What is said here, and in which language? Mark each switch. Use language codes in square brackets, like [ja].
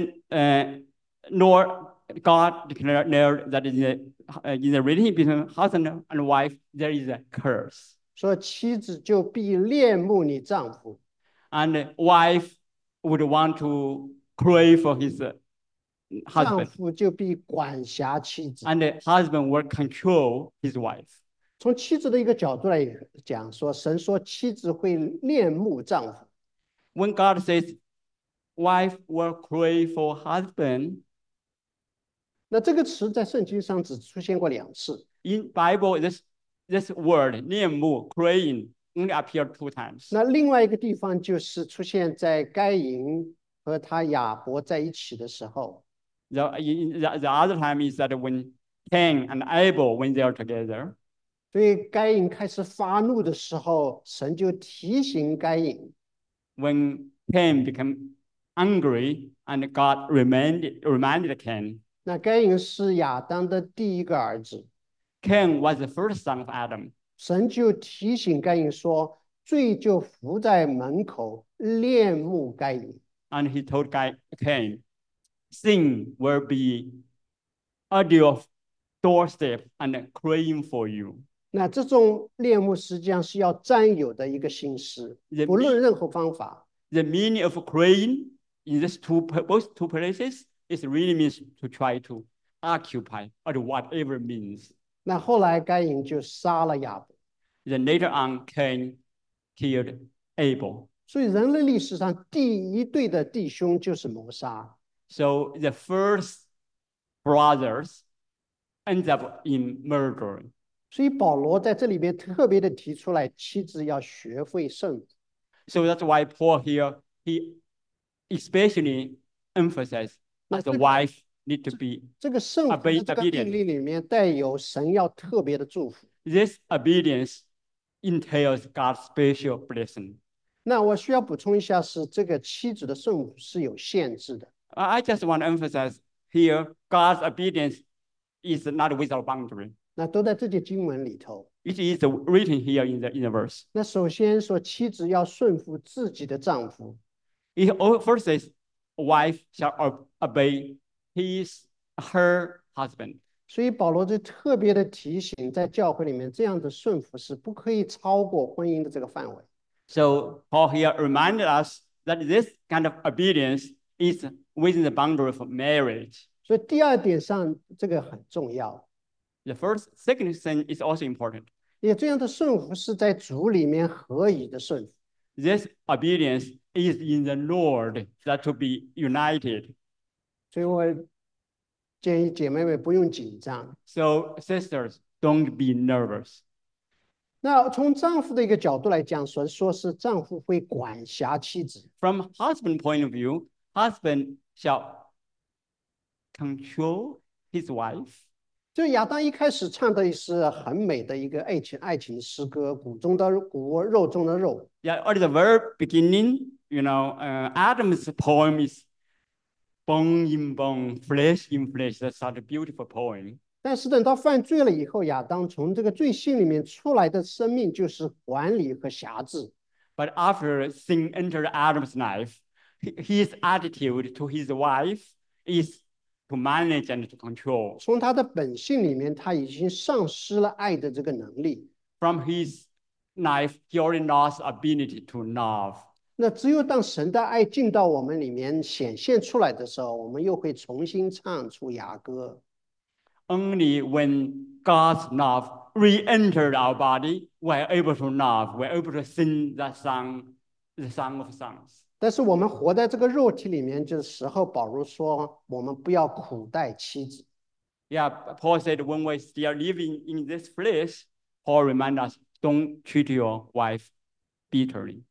[en] Lord God declared that in the relationship between husband and wife, there is a curse. [zh] 说妻子就必恋慕你丈夫。 [en] And wife would want to crave for his husband. [zh] 丈夫就必管辖妻子。 [en] And the husband would control his wife. [zh] 从妻子的一个角度来讲，说神说妻子会恋慕丈夫。 [en] When God says, wife will crave for husband. [zh] 那这个词在圣经上只出现过两次。 [en] In Bible, this word, 恋慕 crying, only appeared two times. [zh] 那另外一个地方就是出现在该隐和他亚伯在一起的时候。 [en] The other time is that when Cain and Abel, when they are together. [zh] 对该隐开始发怒的时候，神就提醒该隐。 [en] When Cain became angry and God reminded Cain. [zh] 那该隐是亚当的第一个儿子。 [en] Cain was the first son of Adam. [zh] 神就提醒该隐说，罪就伏在门口，恋慕该隐。 [en] And he told Cain, sin will be at your doorstep and crying for you. [zh] 那这种恋慕实际上是要占有的一个心思，不论任何方法。 [en] The meaning of crying in these both two places is really means to try to occupy or whatever it means. [zh] 那后来该隐就杀了亚伯。 [en] Then later on, Cain killed Abel. [zh] 所以人类历史上第一对的弟兄就是谋杀。 [en] So the first brothers end up in murder. [zh] 所以保罗在这里面特别的提出来，妻子要学会圣。 [en] So that's why Paul here, he especially emphasized that the wife need to be obedient. [zh] 这个圣父的这个命令里面带有神要特别的祝福。 [en] This obedience entails God's special blessing. [zh] 那我需要补充一下，是这个妻子的圣父是有限制的。 [en] I just want to emphasize here, God's obedience is not without boundary. [zh] 那都在这节经文里头。 [en] It is written here in the verse. [zh] 那首先说妻子要顺服自己的丈夫。 [en] It first says, wife shall obey his, her husband. [zh] 所以保罗就特别的提醒，在教会里面这样的顺服是不可以超过婚姻的这个范围。 [en] So Paul here reminded us that this kind of obedience is within the boundary of marriage. [zh] 所以第二点上这个很重要。 [en] The first, second thing is also important. [zh] 也这样的顺服是在主里面合宜的顺服。 [en] This obedience is in the Lord that to be united. [zh] 所以我建议姐妹们不用紧张。 [en] So sisters, don't be nervous. [zh] 那从丈夫的一个角度来讲，说是丈夫会管辖妻子。 [en] From husband's point of view, husband shall control his wife. [zh] 就亚当一开始唱的是很美的一个爱情诗歌，骨中的骨，肉中的肉。 [en] Yeah, at the very beginning, you know, Adam's poem is bone in bone, flesh in flesh. That's such a beautiful poem. [zh] 但是等到犯罪了以后，亚当从这个罪性里面出来的生命就是管理和辖制。 [en] But after sin entered Adam's life, his attitude to his wife is. To manage and to control. [zh] 从他的本性里面，他已经丧失了爱的这个能力。 [en] From his life, he already lost ability to love. [zh] 那只有当神的爱进到我们里面显现出来的时候，我们又会重新唱出雅歌。 [en] Only when God's love re-entered our body, we're able to love. We're able to sing that song, the song of songs. [zh] 但是我们活在这个肉体里面，就是时候保罗说，我们不要苦待妻子。 [en] Yeah, Paul said when we still living in this flesh, Paul reminds us, don't treat your wife bitterly.